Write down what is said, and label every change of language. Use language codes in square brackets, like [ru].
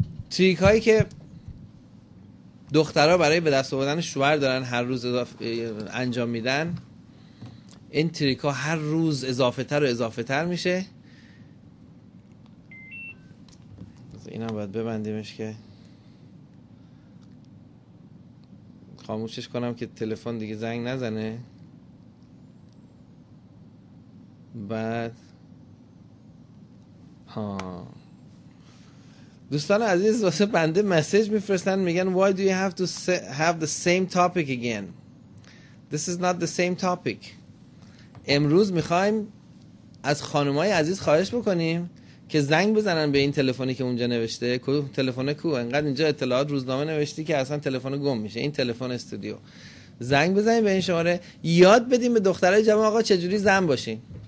[fa] تریک هایی که دخترها برای به دست آوردن شوهر دارن هر روز انجام میدن، این تریکا هر روز اضافه تر و اضافه تر میشه. اینم باید ببندیمش که خاموشش کنم که تلفن دیگه زنگ نزنه. بعد ها دوستان عزیز واسه بنده مسیج میفرستن، میگن [en] why do you have to have the same topic again, this is not the same topic. [fa] امروز میخوایم از خانمای عزیز خواهش بکنیم که زنگ بزنن به این تلفنی که اونجا نوشته. کو تلفن کو؟ انقدر اینجا اطلاعات روزنامه نوشتی که اصلا تلفن گم میشه، این تلفن استودیو. زنگ بزنیم به این شماره، یاد بدیم به دخترای جمع آقا چجوری زن باشین.